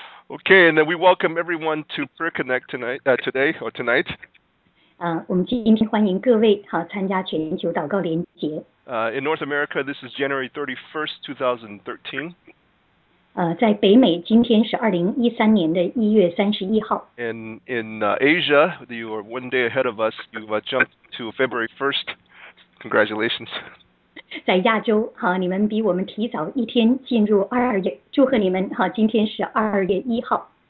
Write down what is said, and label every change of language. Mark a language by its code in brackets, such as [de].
[en] Okay, and then we welcome everyone to Prayer Connect tonight, today or tonight. [zh] 我们今天欢迎各位参加全球祷告连结。 [en] In North America, this is January 31st, 2013. [zh] 在北美, 今天是2013年的1月31号。 [en] And in Asia, you are one day ahead of us. You've jumped to February 1st. Congratulations. [zh] 在亚洲, 你们比我们提早一天进入2月, 祝贺你们, 今天是2月1号。